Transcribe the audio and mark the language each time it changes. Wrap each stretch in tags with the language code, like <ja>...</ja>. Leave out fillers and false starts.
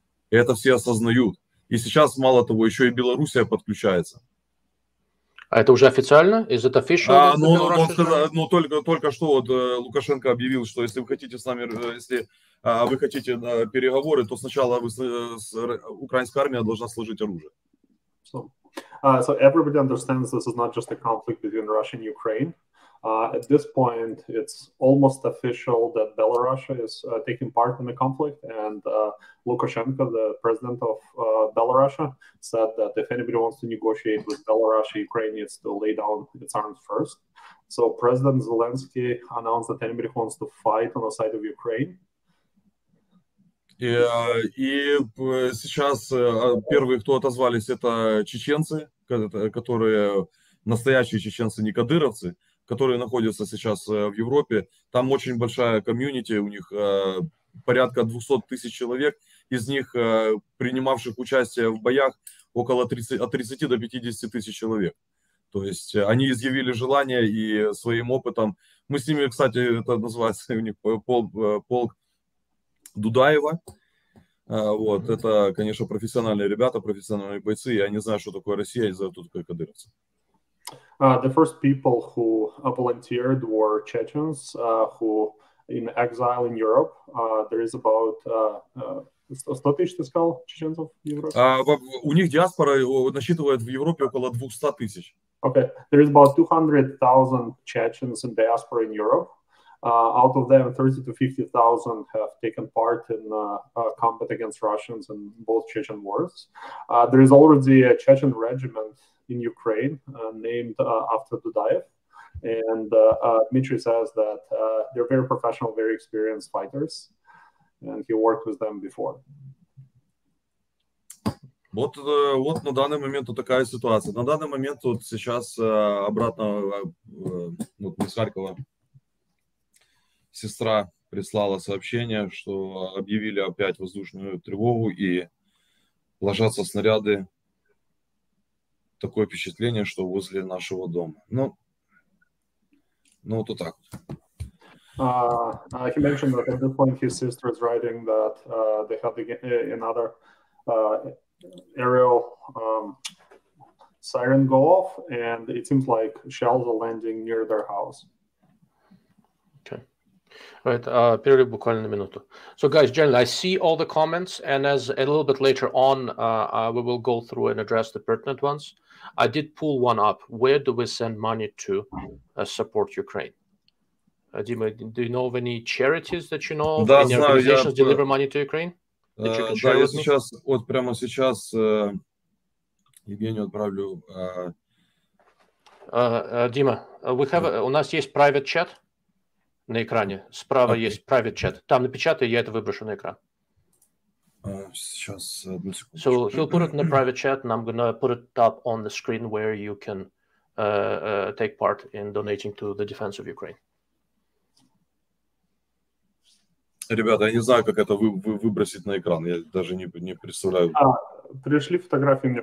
<ru>И это все осознают. И сейчас, мало того, еще и Белоруссия подключается. А это уже официально?</ru> <en>Is it official?</en> <ru>Только что вот Лукашенко объявил, что если вы хотите с нами, если вы хотите переговоры, то сначала украинская армия должна сложить оружие.</ru> <en>So, So everybody understands this is not just a conflict between Russia and Ukraine. At this point, it's almost official that Belarus is taking part in the conflict. And Lukashenko, the president of Belarus, said that if anybody wants to negotiate with Belarus, Ukraine needs to lay down its arms first. So President Zelensky announced that anybody who wants to fight on the side of Ukraine.</en> <ru>И сейчас первые, кто отозвались, это чеченцы, которые настоящие чеченцы, не кадыровцы, которые находятся сейчас в Европе. Там очень большая комьюнити, у них порядка 200 тысяч человек, из них принимавших участие в боях около 30, от 30 до 50 тысяч человек. То есть они изъявили желание и своим опытом. Мы с ними, кстати, это называется у них полк Дудаева. Вот, это, конечно, профессиональные ребята, профессиональные бойцы. Я не знаю, что такое Россия, я не знаю, кто такой кадыровцы.</ru> <en>The first people who volunteered were Chechens who in exile in Europe. There is about</en> <ru>100 тысяч, ты сказал, чеченцев в Европе? У них диаспора насчитывает в Европе около 200 тысяч.</ru> <en>Okay, there is about 200,000 Chechens in diaspora in Europe. Out of them, 30 to 50,000 have taken part in combat against Russians in both Chechen wars. There is already a Chechen regiment in Ukraine named after Dudaev. And Dmitry says that they're very professional, very experienced fighters, and he worked with them before.</en> <ru>Вот, вот на данный момент вот такая ситуация. На данный момент вот сейчас обратно вот из Харькова сестра прислала сообщение, что объявили опять воздушную тревогу и ложатся снаряды. Такое впечатление, что возле нашего дома. Ну, ну вот так вот.</ru> <en>He mentioned that at the point his sister is writing that they have another aerial siren go off, and it seems like shells are landing near their house.</en> <ru>Okay.</ru> <en>All right,</en> <ru>перерыв буквально на минуту.</ru> <en>So, guys, generally, I see all the comments, and as a little bit later on, we will go through and address the pertinent ones. I did pull one up. Where do we send money to support Ukraine? Dima, do you know of any charities that you know,</en> <ru>да,</ru> <en>any organizations deliver money to Ukraine?</en> <ru>Да, я сейчас, вот прямо сейчас Евгению отправлю. Дима,</ru> <en>we have,</en> <ru>у нас есть</ru> <en>private chat</en> <ru>на экране. Справа okay. есть private chat. Там напечатай, я это выброшу на экран. Сейчас, одну секунду.</ru> <en>So he'll put it in the private chat, and I'm going to put it up on the screen where you can take part in donating to the defense of Ukraine.</en> <ru>Ребята, я не знаю, как это выбросить на экран. Я даже не представляю. А, пришли фотографии мне</ru>